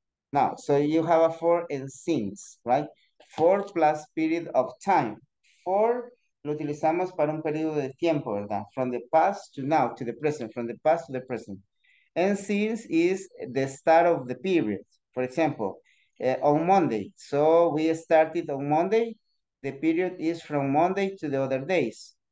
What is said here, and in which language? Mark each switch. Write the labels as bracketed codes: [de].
[en] Now, so you have a for and since, right? For plus period of time. [es] For lo utilizamos para un periodo de tiempo, ¿verdad? [en] From the past to now, to the present. From the past to the present. And since is the start of the period. For example, on Monday. So we started on Monday. The period is from Monday to the other days.